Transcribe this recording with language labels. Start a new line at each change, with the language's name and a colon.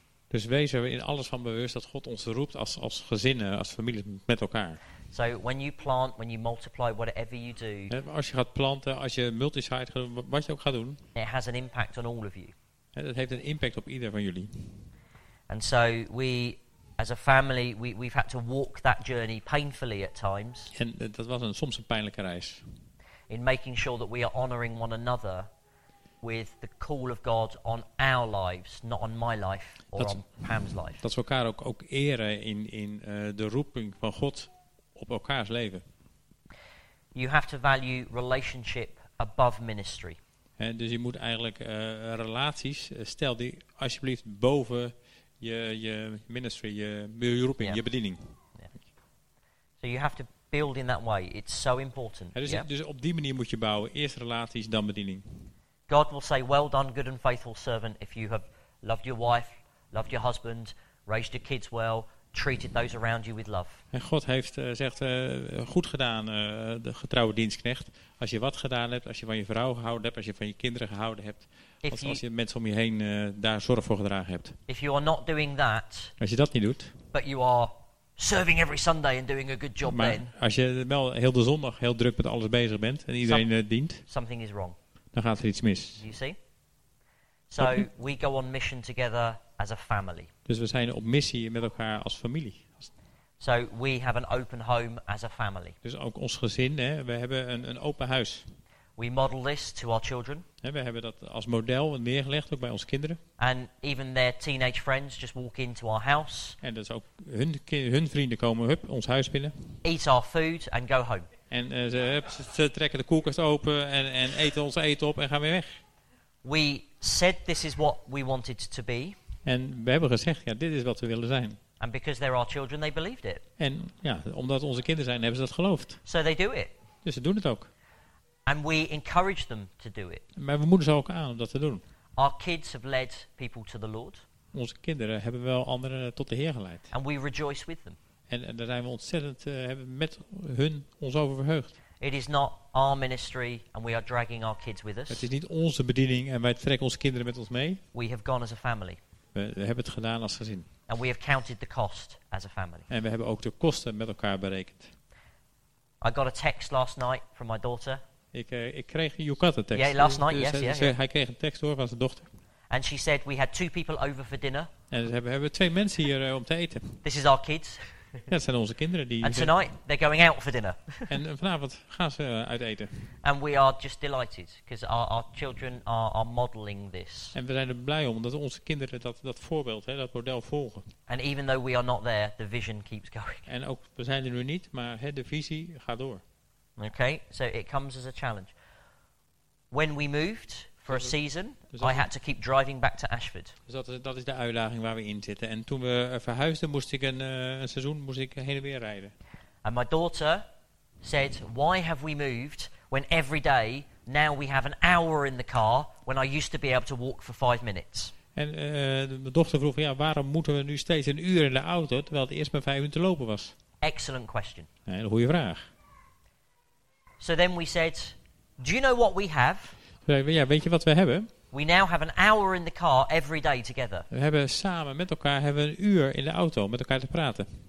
Dutch: Dus wees er in alles van bewust dat God ons roept als gezinnen, als families met elkaar.
English: So when you plant, when you multiply, whatever you do.
Dutch: Als je gaat planten, als je multisite gaat doen, wat je ook gaat doen.
English: It has an impact on all of you.
Dutch: Dat heeft een impact op ieder van jullie.
English: And so we, as a family, we've had to walk that journey painfully at times.
Dutch: En dat was soms een pijnlijke reis.
English: In making sure that we are honoring one another with the call of God on our lives, not on my life or on Pam's life.
Dutch: Dat we elkaar ook eren in de roeping van God op elkaars leven.
English: You have to value relationship above ministry.
Dutch: En dus je moet eigenlijk relaties, stel die alsjeblieft boven je ministry, je roeping, je bediening.
English: So you have to build in that way. It's so important.
Dutch: Dus, dus op die manier moet je bouwen. Eerst relaties, dan bediening.
English: God will say, well done, good and faithful servant, if you have loved your wife, loved your husband, raised your kids well, treated those around you with love.
Dutch: En God heeft zegt goed gedaan, de getrouwe dienstknecht. Als je wat gedaan hebt, als je van je vrouw gehouden hebt, als je van je kinderen gehouden hebt, als je mensen om je heen daar zorg voor gedragen hebt.
English: If you are not doing that,
Dutch: als je dat niet doet,
English: but you are serving every Sunday and doing a good job,
Dutch: maar
English: then,
Dutch: als je wel heel de zondag heel druk met alles bezig bent en iedereen dient,
English: something is wrong.
Dutch: Dan gaat er iets mis.
English: You see? So we go on mission together as a family.
Dutch: Dus we zijn op missie met elkaar als familie.
English: So we have an open home as a family.
Dutch: Dus ook ons gezin, hè, we hebben een open huis.
English: We model this to our children.
Dutch: Hè, we hebben dat als model neergelegd ook bij onze kinderen.
English: And even their teenage friends just walk into our house.
Dutch: En dat is ook hun vrienden komen hup ons huis binnen.
English: Eat our food and go home.
Dutch: En ze trekken de koelkast open en eten ons eten op en gaan weer weg.
English: We said this is what we wanted to be.
Dutch: En we hebben gezegd, ja, dit is wat we willen zijn.
English: And because they're our children, they believed it.
Dutch: En ja, omdat onze kinderen zijn, hebben ze dat geloofd.
English: So they do it.
Dutch: Dus ze doen het ook.
English: And we encourage them to do it.
Dutch: Maar we moedigen ze ook aan om dat te doen.
English: Our kids have led people to the Lord.
Dutch: Onze kinderen hebben wel anderen tot de Heer geleid.
English: And we rejoice with them.
Dutch: En daar zijn we ontzettend hebben met hun ons over verheugd.
English: It is not our ministry and we are dragging our kids with us.
Dutch: Het is niet onze bediening en wij trekken onze kinderen met ons mee.
English: We have gone as a family.
Dutch: We hebben het gedaan als gezin.
English: And we have counted the cost as a family.
Dutch: En we hebben ook de kosten met elkaar berekend.
English: I got a text last night from my daughter.
Dutch: Ik kreeg een tekst.
English: Yeah, last night, yes,
Dutch: hij kreeg een tekst door van zijn dochter.
English: And she said we had two people over for dinner.
Dutch: En ze hebben twee mensen hier om te eten.
English: This is our kids.
Dutch: Ja, dat zijn onze kinderen die.
English: And tonight they're going out for dinner.
Dutch: En vanavond gaan ze uit eten.
English: And we are just delighted because our children are modeling this.
Dutch: En we zijn er blij om omdat onze kinderen dat voorbeeld, hè, dat model volgen.
English: And even though we are not there, the vision keeps going.
Dutch: En ook we zijn er nu niet, maar hè, de visie gaat door.
English: Okay, so it comes as a challenge. When we moved for a season, I had to keep driving back to Ashford.
Dutch: Dus dat is de uitdaging waar we in zitten. En toen we verhuisden, moest ik een seizoen moest ik heen en weer rijden.
English: And my daughter said, "Why have we moved when every day now we have an hour in the car when I used to be able to walk for 5 minutes?"
Dutch: En mijn dochter vroeg, ja, waarom moeten we nu steeds een uur in de auto terwijl het eerst maar 5 minuten lopen was?
English: Excellent question.
Dutch: Ja, een goede vraag.
English: So then we said, "Do you know what we have?"
Dutch: Ja, weet je wat we hebben?
English: We now have an hour in the car every day together.
Dutch: We hebben samen met elkaar hebben een uur in de auto met elkaar te praten.